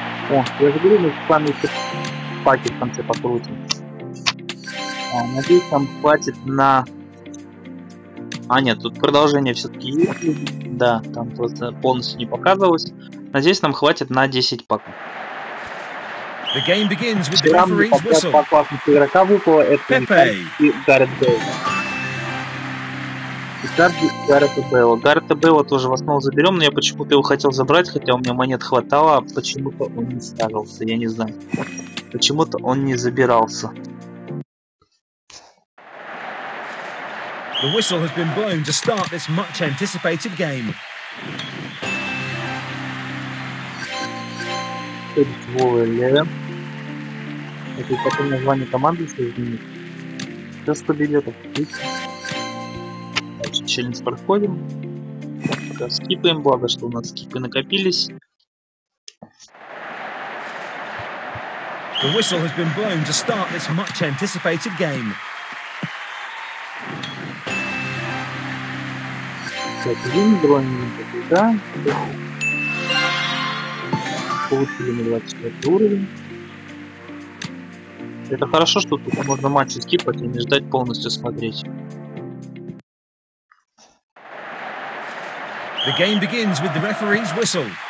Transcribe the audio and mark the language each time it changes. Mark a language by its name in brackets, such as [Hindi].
[Russian] О, я же говорю, мы с вами паки в конце покрутим. А, надеюсь, там хватит на... А, нет, тут продолжение все-таки есть. Да, там просто полностью не показывалось. Надеюсь, нам хватит на 10 паков. [English] The game begins with the referee's whistle. [Russian] По классному игрока выпало, это Гаррет Бейл. Гаррета Бейла. Гаррета Бейла тоже в основном заберем, но я почему-то его хотел забрать, хотя у меня монет хватало, а почему-то он не ставился, я не знаю. Почему-то он не забирался. [English] The whistle has been blown to start this much anticipated game. [Russian] Это такое название команды, что изменить. Сейчас 100 билетов. Дальше челлендж проходим. Пока скипаем, благо, что у нас скипы накопились. [English] The whistle has been blown to start this much anticipated game. [Russian] Так, один броненький, да. Получили мы 24 уровень. Это хорошо, что тут можно матчи скипать и не ждать полностью смотреть. [English] The game begins with the referee's whistle.